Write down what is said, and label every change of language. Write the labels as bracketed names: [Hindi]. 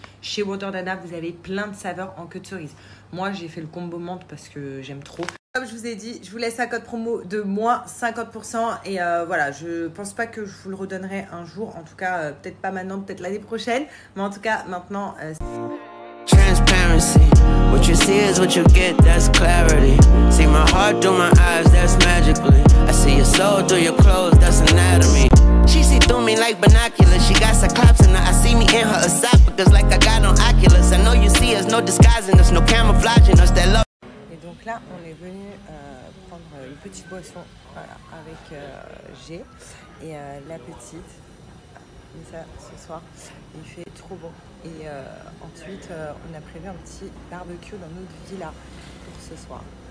[French] Chez Wonder Nana, vous avez plein de saveurs en queue de cerise. Moi, j'ai fait le combo menthe parce que j'aime trop. Comme je vous ai dit, je vous laisse un code promo de moins 50%. Et voilà, je pense pas que je vous le redonnerai un jour. En tout cas, peut-être pas maintenant, peut-être l'année prochaine. Mais en tout cas, maintenant... Transparency. [English] What you see is what you get, that's clarity. See my heart through my eyes, that's magically. I see your soul through your clothes, that's anatomy. She see through me like binoculars, she got cyclops in her. I see me in her esophagus like I got on Oculus. I know you see us, no disguising us, no camouflaging us, that love. [French] Et donc là, on est venu prendre une petite boisson, voilà, avec G et la petite. Mais ça, ce soir, il fait trop beau. Et ensuite, on a prévu un petit barbecue dans notre villa pour ce soir.